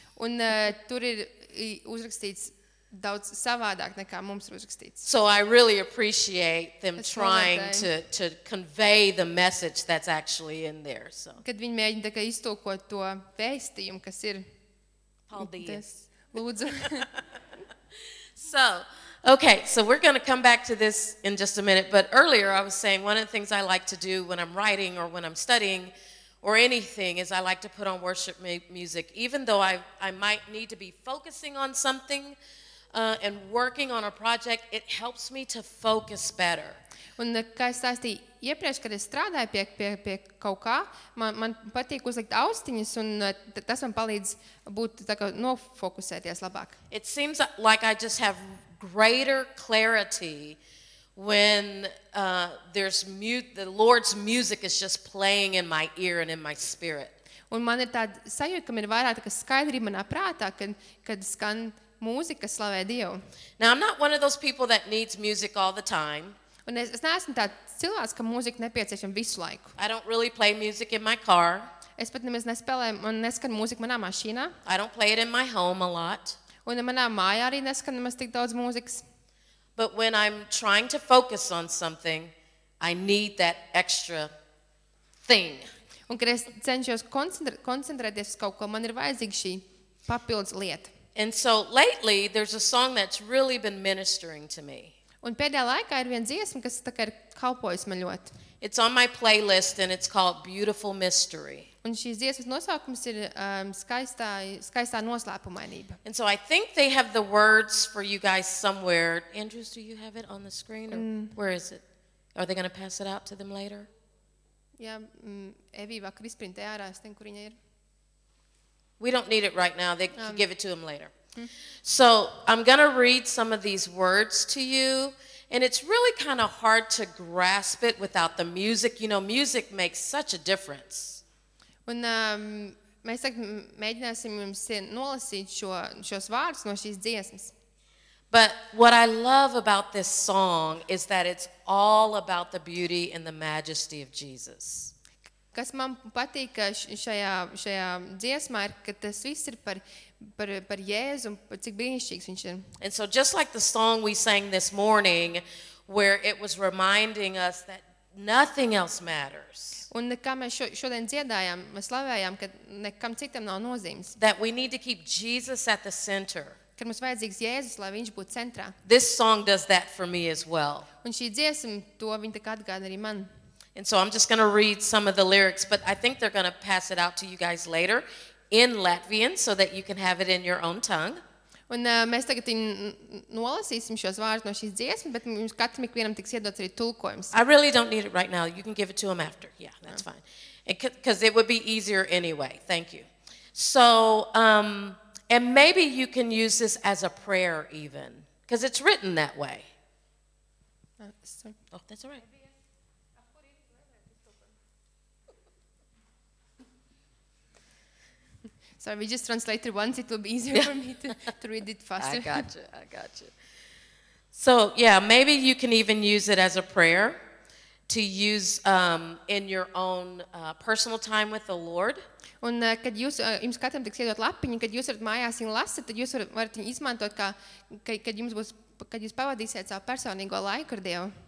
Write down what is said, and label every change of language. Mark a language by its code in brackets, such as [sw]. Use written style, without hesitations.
[lv] Un tur ir uzrakstīts daudz savādāk nekā mums ir uzrakstīts. [en] So I really appreciate them trying to convey the message that's actually in there. So. [lv] Kad viņi mēģina tā kā iztulkot to vēstījumu, kas ir paldies. Lūdzu. [en] So, okay, so we're going to come back to this in just a minute, but earlier I was saying one of the things I like to do when I'm writing or when I'm studying or anything is I like to put on worship music even though I might need to be focusing on something. And working on a project, it helps me to focus better. [lv] Un kā es stāstīju iepriekš, kad es strādāju pie kaut kā, man patīk uzlikt austiņas, un tas man palīdz būt tā kā nofokusēties labāk. [en] It seems like I just have greater clarity when the Lord's music is just playing in my ear and in my spirit. [lv] Un man ir tāda sajūta, ka man ir vairāk tā kā skaidrība manā prātā, kad skan... Mūzika slavē Dievu. [en] Now I'm not one of those people that needs music all the time. [lv] Un es neesmu tāds cilvēks, ka mūzika nepieciešama visu laiku. [en] I don't really play music in my car. [lv] Es pat nemaz nespēlēju un neskan mūziku manā mašīnā. [en] I don't play it in my home a lot. [lv] Un manā mājā arī neskan nemaz tik daudz mūzikas. [en] But when I'm trying to focus on something, I need that extra thing. [lv] Un kad es cenšos koncentrēties uz kaut ko, man ir vajadzīga šī papildus lieta. [en] And so lately there's a song that's really been ministering to me. [lv] Un pēdējā laikā ir viena dziesma, kas tā kā ir kalpojis man ļoti. [en] It's on my playlist and it's called Beautiful Mystery. [lv] Un šī dziesmas nosaukums ir skaistā noslēpumainība. [en] And so I think they have the words for you guys somewhere. Andrews, do you have it on the screen? Or where is it? Are they going to pass it out to them later? [lv] Jā, Evi vakar izprintē ārā, es ten, kur viņa ir. [en] We don't need it right now. They can give it to him later. So I'm going to read some of these words to you. And it's really kind of hard to grasp it without the music. You know, music makes such a difference. [lv] Un mēs mēģināsim jums nolasīt šos vārdus no šīs dziesmas. [en] But what I love about this song is that it's all about the beauty and the majesty of Jesus. [lv] Kas man patīk šajā dziesmā ir, ka tas viss ir par Jēzu, par cik brīnišķīgs viņš ir. [en] And so just like the song we sang this morning, where it was reminding us that nothing else matters. [lv] Un kā mēs šodien dziedājām, mēs slavējām, ka nekam citam nav nozīmes. [en] That we need to keep Jesus at the center. [lv] Kad mums vajadzīgs Jēzus, lai viņš būtu centrā. [en] This song does that for me as well. [lv] Un šī dziesma to viņa tā kā atgādina arī man. [en] And so I'm just going to read some of the lyrics, but I think they're going to pass it out to you guys later in Latvian so that you can have it in your own tongue. [lv] Un mēs tagad nolasīsim šos vārdus no šīs dziesmas, bet mums katram ikvienam tiks iedots arī tulkojums. [en] I really don't need it right now. You can give it to him after. Yeah, that's fine. Because it would be easier anyway. Thank you. So, and maybe you can use this as a prayer even, because it's written that way. Sorry. Oh, that's all right. So we just translated once, it will be easier for me to read it faster. I got you. So yeah, maybe you can even use it as a prayer to use in your own personal time with the Lord. [lv] Un kad jūs, jums katram tiks iedot lapiņu, kad jūs varat mājās viņu lasat, tad jūs varat viņu izmantot, kad jūs pavadīsiet savu personīgo laiku ar Dievu.